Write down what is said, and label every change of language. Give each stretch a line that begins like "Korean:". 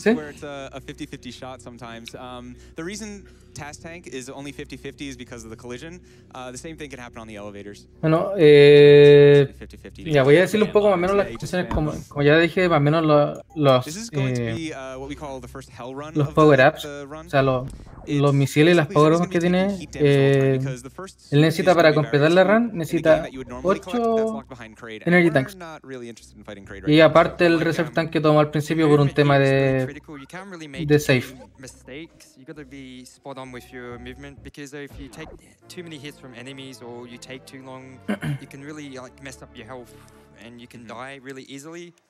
English: The reason Task Tank is only 50-50 is because of the collision. The same thing can happen on the elevators.
Spanish: Bueno, ya voy a decir un poco más o menos las cuestiones, como ya dije, más o menos los power ups, o sea, los misiles y las power ups que tiene. Él necesita, para completar la run, necesita 8 energy tanks. Y aparte el reserve tank que tomó al principio por un tema de safe.
English: With your movement, because if you take too many hits from enemies or you take too long, you can really like mess up your health and you can die really easily.